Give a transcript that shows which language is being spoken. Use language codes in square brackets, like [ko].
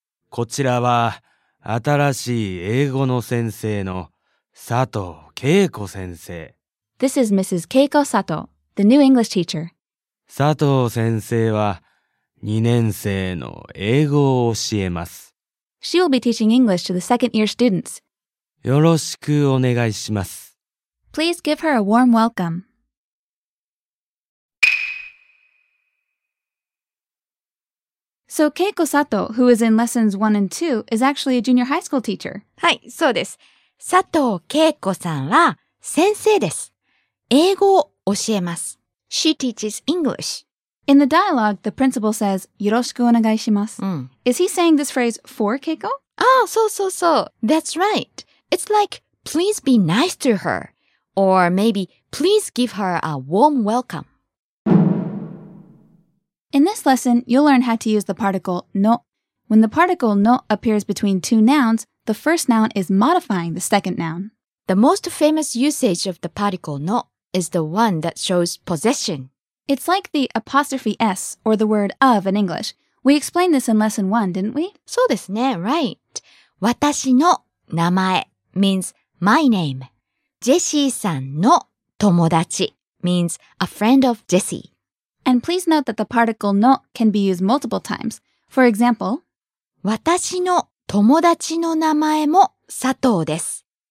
[ja] こちらは新しい英語の先生の佐藤恵子先生。 [en] This is Mrs. Keiko Sato, the new English teacher. [ja] 佐藤先生は2年生の英語を教えます。 [en] She will be teaching English to the second year students. [ja] よろしくお願いします。 [en] Please give her a warm welcome. So Keiko Sato, who is in lessons 1 and 2, is actually a junior high school teacher. [ja] はい、そうです。佐藤恵子さんは先生です。英語を教えます。 [en] She teaches English. In the dialogue, the principal says, [ja] よろしくお願いします。うん、 [en] is he saying this phrase for Keiko? Ah, [ja] そうそうそう。 [en] That's right. It's like, please be nice to her. Or maybe, please give her a warm welcome. In this lesson, you'll learn how to use the particle の. When the particle の appears between two nouns, the first noun is modifying the second noun. The most famous usage of the particle の is the one that shows possession. It's like the apostrophe S, or the word of in English. We explained this in lesson 1, didn't we? [ja] そうですね、 [en] right. [ja] 私の名前 [en] means my name. Jessie-san no 友達 means a friend of Jessie. And please note that the particle no can be used multiple times. For example, [ja] 私の友達の名前も佐藤です。